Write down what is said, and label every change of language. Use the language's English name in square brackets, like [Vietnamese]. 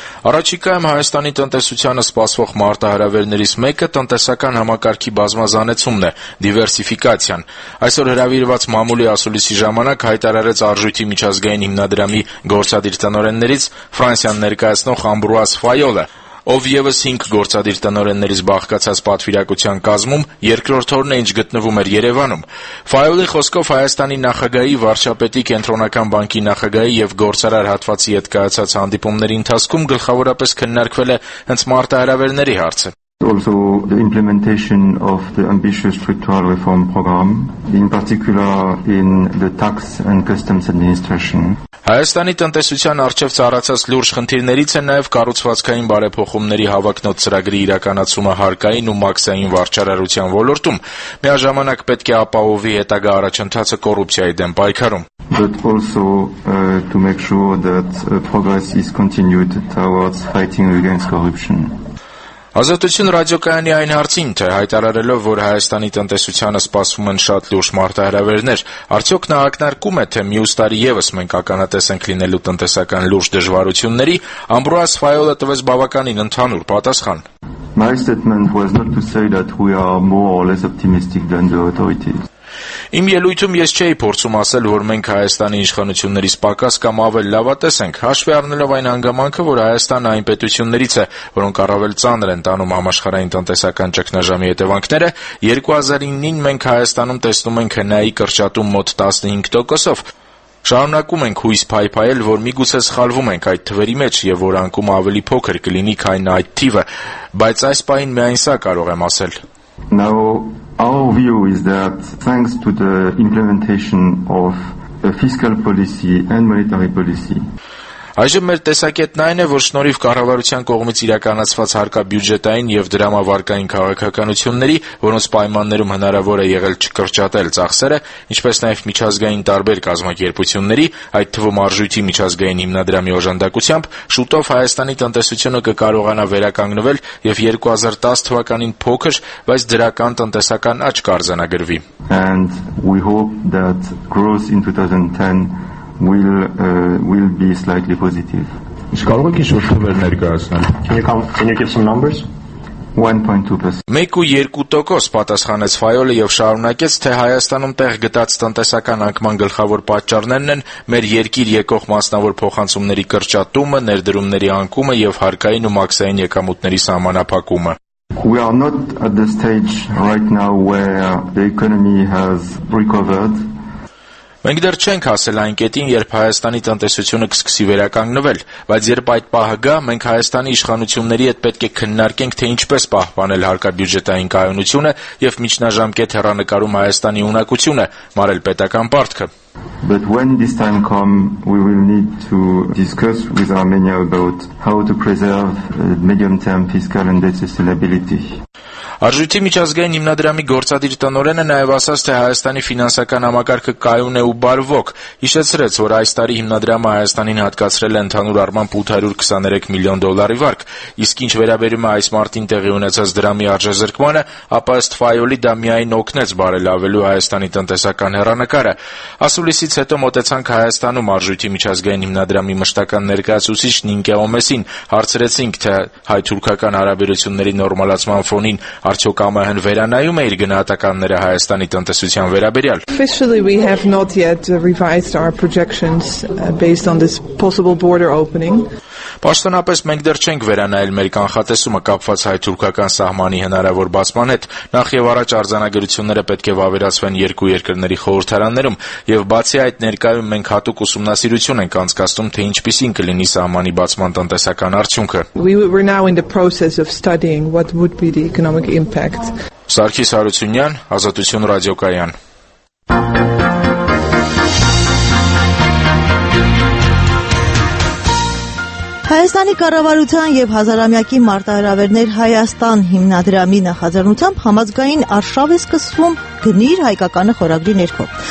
[Armenian] Առաջիկայում Հայաստանի տնտեսությանը սպասվող մարտահրավերներից մեկը տնտեսական համակարգի բազմազանեցումն է, դիվերսիֆիկացիան։ Այսօր հրավիրված մամուլի ասուլիսի ժամանակ հայտարարեց Արժույթի միջազգային հիմնադրամի գործադիր տնօրեններից Ֆրանսիան ներկայացնող Ամբրուազ Ֆայոլը, ով ևս 5 գործադիր տնօրեններից բաղկացած պատվիրակության կազմում երկրորդ օրն է, ինչ գտնվում էր Երևանում։ Ֆայոլի խոսքով Հայաստանի նախագահի, Վարշապետի կենտրոնական բանկի նախագահի եւ գործարար հատվացի հետ կայացած հանդիպումների ընթացքում գլխավորապես քննարկվել է հենց մարտահրավերների հարցը։ [English] Also the implementation of the ambitious structural reform program, in particular in the tax and customs administration. [Armenian] Հայաստանի տնտեսության առջև ծառացած լուրջ խնդիրներից է նաև կառուցվածքային բարեփոխումների հավակնոտ ծրագրի իրականացումը հարկային ու մաքսային վարչարարության ոլորտում, միաժամանակ պետք է ապահովի հետագա առաջընթացը կոռուպցիայի դեմ պայքարում. [English] But also to make sure that progress is continued towards fighting against corruption. [Armenian] Ազատություն ռադիոկայանի այն հարցին, թե հայտարարելով, որ Հայաստանի տնտեսությանը սպասվում են շատ լուրջ մարտահրավերներ, արդյոք նա ակնարկում է, թե մյուս տարի ևս մենք ականատես ենք լինելու տնտեսական լուրջ դժվարությունների, Ամբրուազ Ֆայոլը տվեց բավականին ընդհանուր պատասխան. [English] My statement was not to say that we are more or less optimistic than the authorities. [Armenian] Իմ ելույթում ես չէի փորձում ասել, որ մենք Հայաստանի իշխանություններից պակաս կամ ավել լավատես ենք, հաշվի առնելով այն հանգամանքը, որ Հայաստանը այն պետություններից է, որոնք առավել ծանր են տանում համաշխարհային տնտեսական ճգնաժամի հետևանքները, 2009-ին մենք Հայաստանում տեսնում ենք ՀՆԱ-ի կրճատում մոտ 15%-ով, շարունակում ենք հույս փայփայել, որ միգուցե սխալվում ենք այդ թվերի մեջ և որ անկումը ավելի փոքր կլինի, քան այդ թիվը, բայց այս պահին միայն սա կարող եմ ասել։ [English] Our view is that thanks to the implementation of the fiscal policy and monetary policy. [Armenian] Այժմ մեր տեսակետն այն է, որ շնորհիվ կառավարության կողմից իրականացված հարկաբյուջետային և դրամավարկային քաղաքականությունների, որոնց պայմաններում հնարավոր է եղել չկրճատել ծախսերը, ինչպես նաև միջազգային տարբեր կազմակերպությունների, այդ թվում արժույթի միջազգային հիմնադրամի օժանդակությամբ, շուտով Հայաստանի տնտեսությունը կկարողանա վերականգնվել և 2010 թվականին փոքր, բայց դրական տնտեսական աճ կարձանագրվի. [English] And we hope that growth in 2010 will be slightly positive. [Armenian] Իսկ կարող եք ինչ-որ թվեր ներկայացնել? [English] Can you give some numbers? 1.2%. [Armenian] 1.2% պատասխանեց Ֆայոլը եւ շարունակեց, թե Հայաստանում տեղ գտած տնտեսական անկման գլխավոր պատճառներն են մեր երկիր եկող մասնավոր փոխանցումների կրճատումը, ներդրումների անկումը եւ հարկային ու մաքսային եկամուտների սահմանափակումը. [English] We are not at the stage right now where the economy has recovered. [Armenian] Մենք դեռ չենք հասել այն կետին, երբ Հայաստանի տնտեսությունը կսկսի վերականգնվել, բայց երբ այդ պահը գա, մենք Հայաստանի իշխանությունների հետ պետք է քննարկենք, թե ինչպես պահպանել հարկաբյուջետային կայունությունը եւ միջնաժամկետ հեռանկարում Հայաստանի ունակությունը, մարել պետական պարտքը. [English] But when this time comes, we will need to discuss with Armenia about how to preserve medium-term fiscal and debt sustainability. [Armenian] Արժույթի միջազգային հիմնադրամի գործադիր տնօրենը նաև ասաց, թե Հայաստանի ֆինանսական համակարգը կայուն է ու բարվոք, հիշեցրեց, որ այս տարի հիմնադրամը Հայաստանին հատկացրել է ընդհանուր առմամբ 823 միլիոն դոլարի վարկ, իսկ ինչ վերաբերում է այս մարտին տեղի ունեցած դրամի արժեզրկմանը, ապա ըստ Ֆայոլի դա միայն օգնեց բարելավելու Հայաստանի տնտեսական հեռանկարը։ Ասուլիսից հետո մոտեցանք Հայաստանում արժույթի միջազգային հիմնադրամի մշտական ներկայացուցիչ Նինկե Օմեսին, հարցրեցինք, թե հայ-թուրքական հարաբերությունների նորմալացման ֆոնին արդյոք ԱՄՀ-ն վերանայում է իր գնահատականները Հայաստանի տնտեսության վերաբերյալ։ [English] Officially we have not yet revised our projections based on this possible border opening. [Armenian] Պաշտոնապես մենք դեռ չենք վերանայել մեր կանխատեսումը կապված հայ-թուրքական սահմանի հնարավոր բացման հետ։ Նախ եւ առաջ արձանագրությունները պետք է վավերացվեն երկու երկրների խորհրդարաններում, եւ բացի այդ ներկայում մենք հատուկ ուսումնասիրություն ենք անցկացնում, թե ինչպիսին կլինի սահմանի բացման տնտեսական արդյունքը։ [English] We were now in the process of studying what would be the economic impact. [Armenian] Սարգիս Հարությունյան, Ազատություն ռադիոկայան։ Հայաստանի կառավարության եւ հազարամյակի մարտահրավերներ Հայաստան հիմնադրամի նախաձեռնությամբ համազգային արշավ է սկսվում գնիր հայկականը խորագրի ներքո։